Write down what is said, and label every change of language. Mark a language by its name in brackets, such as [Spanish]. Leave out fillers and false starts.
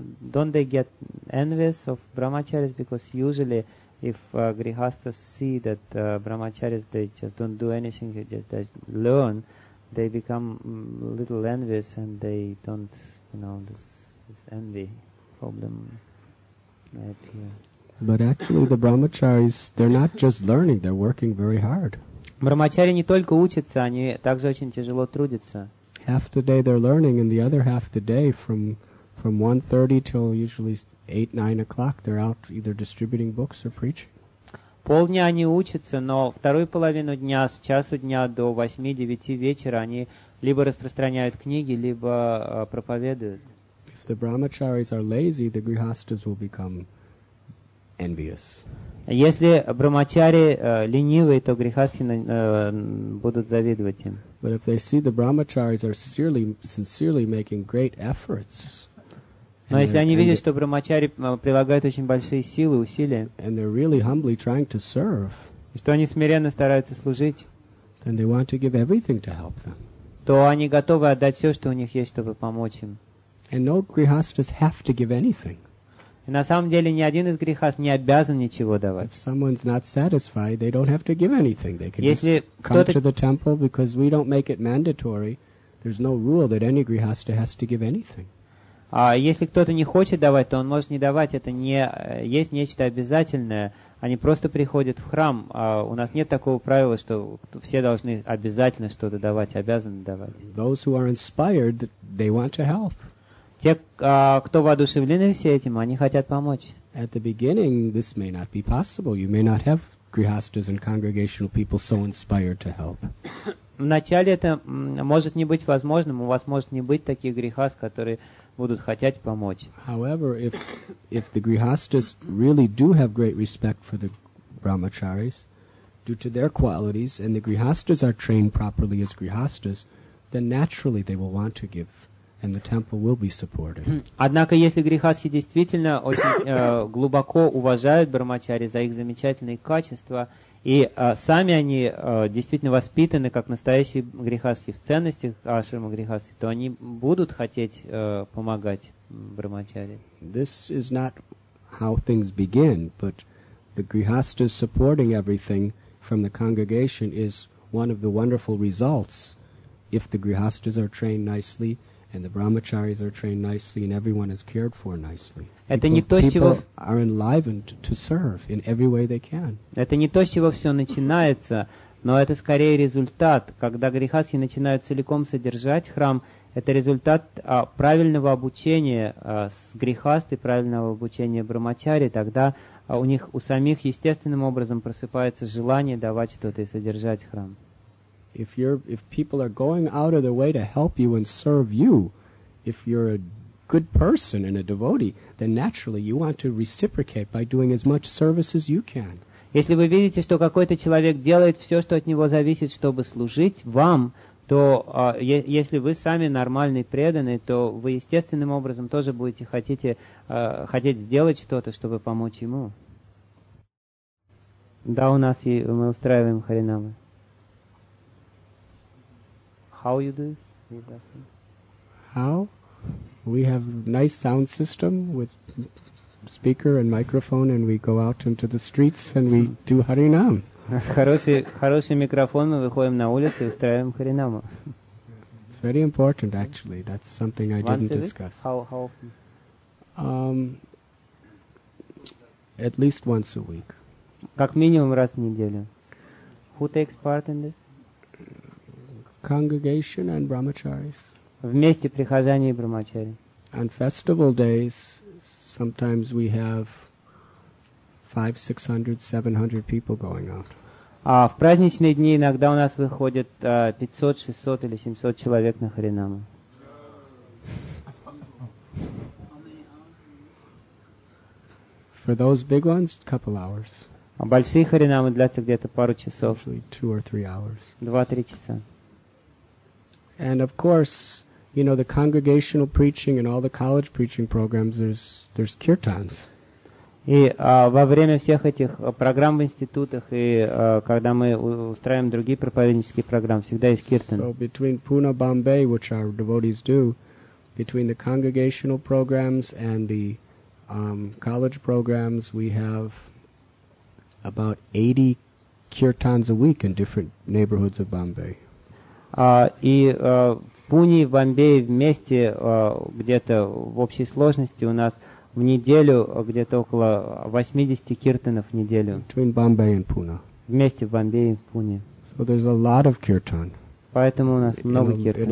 [English] Don't they get envious of brahmacharis? Because usually if grihasthas see that brahmacharis, they just don't do anything, they just learn, they become a little envious and they don't, you know, this envy problem may appear. But actually the brahmacharis, they're not just learning, they're working very hard. [Russian] Брамачари не только учатся, они также очень тяжело трудятся. [English] Half the day they're learning, and the other half the day from 1:30 till usually 8-9 o'clock they're out either distributing books or preaching. [Russian] Полдня они учатся, но вторую половину дня, с часу дня до 8-9 вечера, они либо распространяют книги, либо проповедуют. [English] If the brahmacharis are lazy, the grihasthas will become envious. [Russian] Если брамачари ленивые, то грихасхи будут завидовать им. [English] But if they see the brahmacharis are sincerely making great efforts. [Russian] Но если они видят, что брамачари прилагают очень большие силы, усилия, [English] and they're really humbly trying to serve, [Russian] и что они смиренно стараются служить, [English] then they want to give everything to help them. [Russian] То они готовы отдать все, что у них есть, чтобы помочь им. [English] And no grihasthas have to give anything. [Russian] И на самом деле ни один из грехов не обязан ничего давать. [English] If someone's not satisfied, they don't have to give anything. They can just come to the temple, because we don't make it mandatory. There's no rule that any grihastha has to give anything. [Russian] А если кто-то не хочет давать, то он может не давать. Это не есть нечто обязательное. Они просто приходят в храм. А у нас нет такого правила, что все должны обязательно что-то давать, обязаны давать. [English] Those who are inspired, they want to help. [Russian] Те, кто воодушевлены все этим, они хотят помочь. [English] At the beginning, this may not be possible. You may not have grihasthas and congregational people so inspired to help. [Russian] Вначале это может не быть возможным. У вас может не быть таких грихас, которые будут хотеть помочь. [English] However, if the grihasthas really do have great respect for the brahmacharis, due to their qualities, and the grihasthas are trained properly as grihasthas, then naturally they will want to give. And the temple will be supported. [Russian] Однако, если грихасхи действительно очень глубоко уважают брамачари за их замечательные качества, и сами они действительно воспитаны как настоящие грихасхи в ценностях ашрама грихасхи, то они будут хотеть помогать брамачари. [English] This is not how things begin, but the grihasthas supporting everything from the congregation is one of the wonderful results if the grihasthas are trained nicely. And the brahmacharis are trained nicely, and everyone is cared for nicely. People are enlivened to serve in every way they can. [Russian] Это не то, с чего все начинается, но это скорее результат, когда грихасхи начинают целиком содержать храм. Это результат правильного обучения с грихасты, правильного обучения брамачари. Тогда у них у самих естественным образом просыпается желание давать что-то и содержать храм. [English] If people are going out of their way to help you and serve you, if you're a good person and a devotee, then naturally you want to reciprocate by doing as much service as you can. [Russian] Если вы видите, что какой-то человек делает все, что от него зависит, чтобы служить вам, то если вы сами нормальный преданный, то вы естественным образом тоже будете хотеть сделать что-то, чтобы помочь ему. Да, у нас мы устраиваем харинамы. [English] How you do this? How? We have a nice sound system with speaker and microphone, and we go out into the streets and we do Харинам. [Russian] Хороший микрофон, мы выходим на улицу и устраиваем Харинаму. [English] It's very important, actually. That's something I didn't discuss. How often? At least once a week. [Russian] Как минимум раз в неделю. [English] Who takes part in this? Congregation and brahmacharis. [Russian] Вместе прихожане и брамачари. [English] On festival days, sometimes we have 500-600-700 people going out. [Russian] А в праздничные дни иногда у нас выходит 500-600 или 700 человек на харинаму. [English] For those big ones, a couple hours. [Russian] А большие харинамы длятся где-то пару часов. [English] Usually 2 or 3 hours. [Russian] 2-3 часа. [English] And of course, you know, the congregational preaching and all the college preaching programs, there's kirtans. [Russian] И во время всех этих программ в институтах и когда мы устраиваем другие проповеднические программы, всегда есть киртан. [English] So between Pune, Bombay, which our devotees do, between the congregational programs and the college programs, we have about 80 kirtans a week in different neighborhoods of Bombay. [Russian] В Пуне, в Бомбее вместе где-то в общей сложности у нас в неделю где-то около 80 киртанов в неделю. [English] Between Bombay and Pune. [Russian] Вместе в Бомбее и Пуне. [English] So there's a lot of kirtan. [Russian] Поэтому у нас много киртана.